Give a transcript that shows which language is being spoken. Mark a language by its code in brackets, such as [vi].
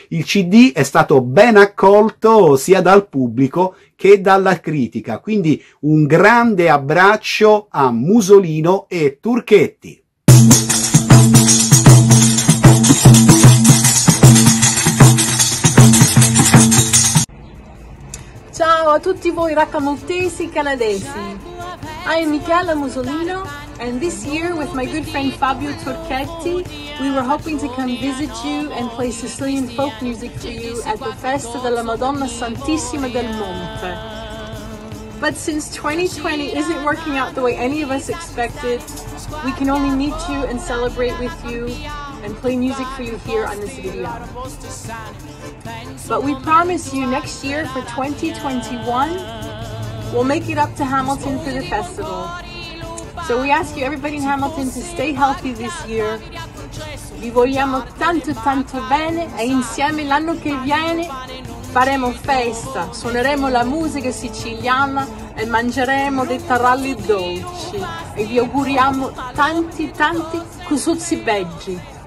[it] Il CD è stato ben accolto sia dal pubblico che dalla critica, quindi un grande abbraccio a Musolino e Turchetti. Ciao a tutti voi racamoltesi canadesi. [en] I am Michela Musolino, and this year with my good friend Fabio Turchetti, we were hoping to come visit you and play Sicilian folk music to you at the Festa della Madonna Santissima del Monte. But since 2020 isn't working out the way any of us expected, we can only meet you and celebrate with you and play music for you here on this video. But we promise you next year for 2021, we'll make it up to Hamilton for the festival. So we ask you, everybody in Hamilton, to stay healthy this year. [it] Vi vogliamo tanto tanto bene e insieme l'anno che viene faremo festa, suoneremo la musica siciliana e mangeremo dei taralli dolci. E vi auguriamo tanti tanti cusuzzi beggi.